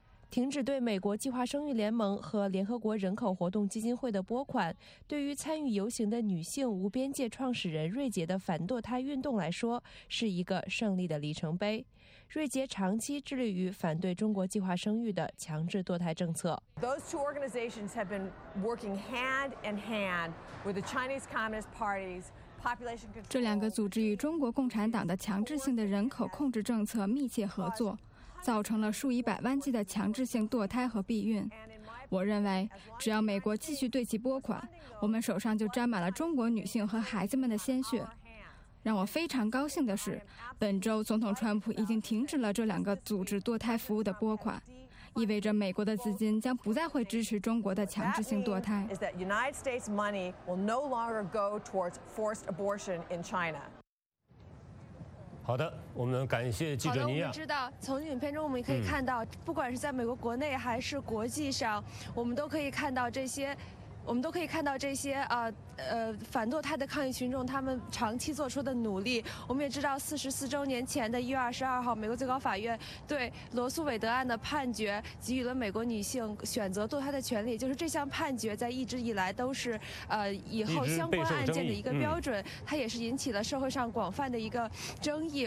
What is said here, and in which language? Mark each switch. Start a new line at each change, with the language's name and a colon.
Chinese: 停止对美国计划生育联盟和联合国人口活动基金会的拨款，对于参与游行的女性无边界创始人瑞杰的反堕胎运动来说，是一个胜利的里程碑。瑞杰长期致力于反对中国计划生育的强制堕胎政策。
English: Those two organizations have been working hand in hand with the Chinese Communist Party's population control.
Chinese: 这两个组织与中国共产党的强制性的人口控制政策密切合作，造成了数以百万计的强制性堕胎和避孕。我认为，只要美国继续对其拨款，我们手上就沾满了中国女性和孩子们的鲜血。让我非常高兴的是，本周总统川普已经停止了这两个组织堕胎服务的拨款，意味着美国的资金将不再会支持中国的强制性堕胎。
English: United States money will no longer go towards forced abortion in China.
Chinese: 好的，我们感谢记者尼亚。好的，我们知道从影片中我们也可以看到，不管是在美国国内还是国际上，我们都可以看到这些我们都可以看到这些反堕胎的抗议群众他们长期做出的努力。我们也知道44周年前的1月22号，美国最高法院对罗素韦德案的判决给予了美国女性选择堕胎的权利，就是这项判决在一直以来都是以后相关案件的一个标准，它也是引起了社会上广泛的一个争议。